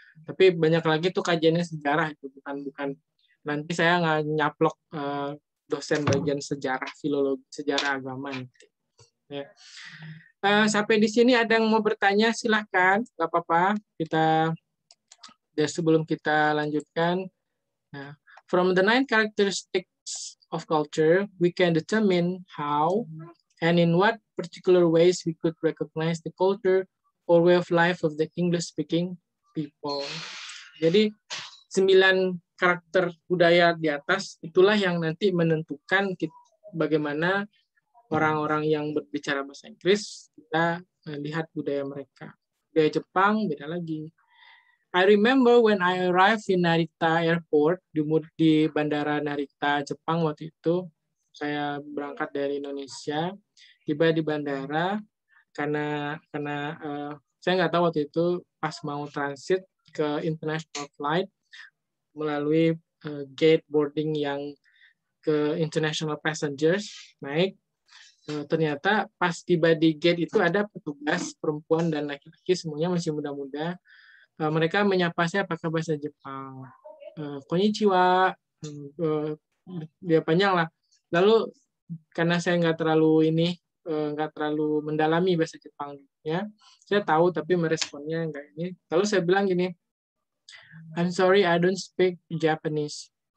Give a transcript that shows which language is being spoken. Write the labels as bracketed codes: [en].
[id] Tapi banyak lagi itu kajiannya sejarah. Itu bukan. Nanti saya nggak nyaplok dosen bagian sejarah, filologi, sejarah agama nanti. Ya. Sampai di sini ada yang mau bertanya silahkan, nggak apa-apa kita ya sebelum kita lanjutkan. [en] Nah, from the 9 characteristics of culture, we can determine how and in what particular ways we could recognize the culture or way of life of the English speaking people. [id] Jadi 9 karakter budaya di atas itulah yang nanti menentukan bagaimana orang-orang yang berbicara bahasa Inggris, kita lihat budaya mereka. Budaya Jepang, beda lagi. [en] I remember when I arrived in Narita Airport, [id] di Bandara Narita, Jepang waktu itu, saya berangkat dari Indonesia, tiba di bandara, saya nggak tahu waktu itu pas mau transit ke international flight melalui gate boarding yang ke international passengers naik. Ternyata pas tiba di gate itu ada petugas perempuan dan laki-laki, semuanya masih muda-muda. Mereka menyapa saya pakai bahasa Jepang. Konnichiwa, dia panjang lah. Lalu karena saya nggak terlalu mendalami bahasa Jepang, ya, saya tahu tapi meresponnya nggak ini. Lalu saya bilang gini, [en] I'm sorry, I don't speak Japanese.